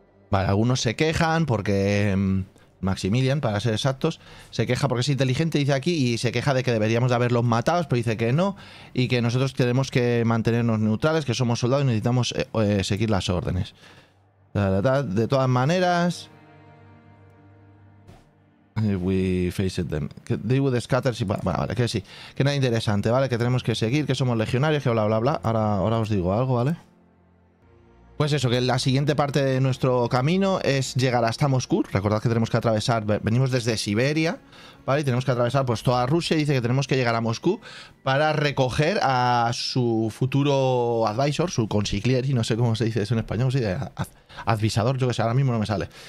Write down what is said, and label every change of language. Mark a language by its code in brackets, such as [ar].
[es] Vale, algunos se quejan porque Maximilian, para ser exactos, se queja porque es inteligente, dice aquí, y se queja de que deberíamos de haberlos matados, pero dice que no, y que nosotros tenemos que mantenernos neutrales, que somos soldados y necesitamos seguir las órdenes. De todas maneras, [en] if we face them, they would scatter. [es] Si, bueno, vale, que sí, que nada interesante, vale, que tenemos que seguir, que somos legionarios, que bla bla bla. Ahora os digo algo, vale. Pues eso, que la siguiente parte de nuestro camino es llegar hasta Moscú. Recordad que tenemos que atravesar, venimos desde Siberia, ¿vale? Y tenemos que atravesar pues toda Rusia, y dice que tenemos que llegar a Moscú para recoger a su futuro advisor, su consigliere, no sé cómo se dice eso en español, sí, advisador, yo que sé, ahora mismo no me sale.